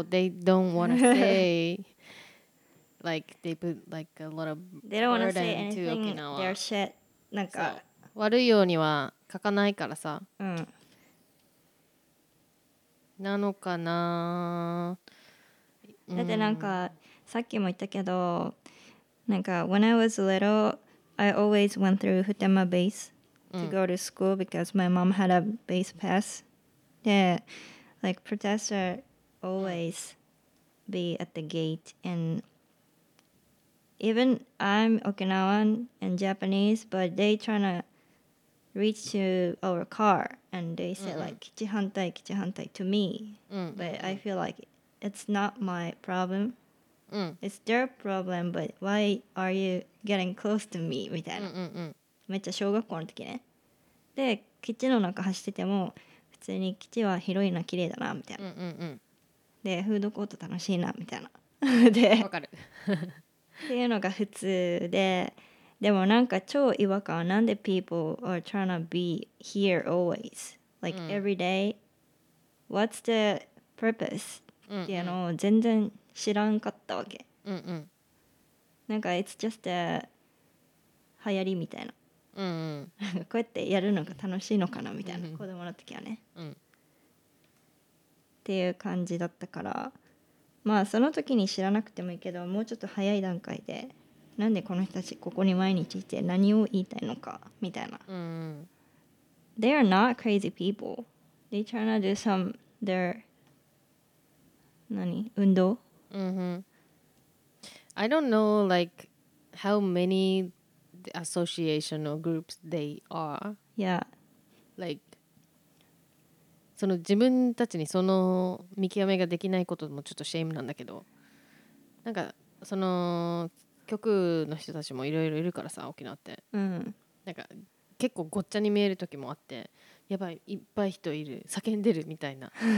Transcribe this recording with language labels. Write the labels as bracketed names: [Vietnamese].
[English] So they don't want to say, like, they put, like, a lot of they don't burden say anything to Okinawa. Their shit. なんか、 [Japanese] so, 悪いようには書かないからさ。うん。なのかな。だってなんか、さっきも言ったけど、なんか、 [English] when I was little,I always went through Futenma base to go to school because my mom had a base pass. Yeah, like protester always be at the gate. And even I'm Okinawan and Japanese, but they trying to reach to our car. And they say mm-hmm. like, [Japanese] kichi hantai, kichi hantai [English] to me. Mm-hmm. But I feel like it's not my problem. [Japanese] うん、 [English] It's their problem, but why are you getting close to me? [Japanese] みたいな、うんうんうん、めっちゃ小学校の時ねで、基地の中走ってても普通に基地は広いな、綺麗だな、みたいな、うんうんうん、で、フードコート楽しいな、みたいなで、わかるっていうのが普通ででもなんか超違和感はなんで [English] people are trying to be here always like、 [Japanese] うん、 [English] every day What's the purpose? [Japanese] っていうのを全然知らんかったわけ、うんうん、なんか [English] It's just a [Japanese] 流行りみたいな、うんうん、こうやってやるのが楽しいのかなみたいな、うんうん、子供の時はね、うん、っていう感じだったからまあその時に知らなくてもいいけどもうちょっと早い段階でなんでこの人たちここに毎日いて何を言いたいのかみたいな、うんうん、 [English] They are not crazy people They trying to do some their [Japanese] 何運動 [English] Mm-hmm. I don't know like how many association or groups they are. Yeah. [Japanese] Like, その自分たちにその見極めができないこともちょっとシェイムなんだけど、なんかその局の人たちもいろいろいるからさ、沖縄って。うん。なんか結構ごっちゃに見える時もあって、やばいいっぱい人いる、叫んでるみたいな。